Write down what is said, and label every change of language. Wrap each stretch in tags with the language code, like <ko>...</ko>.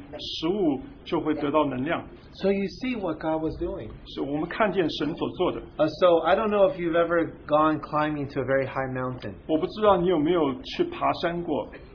<zh>氧气能够叫我们吸收这个食物，就会得到能量。</zh> <en>So you see what God was doing.</en> <zh>是我们看见神所做的。</zh> <en>So I don't know if you've ever gone climbing to a very high mountain.</en> <zh>我不知道你有没有去爬山过。</zh>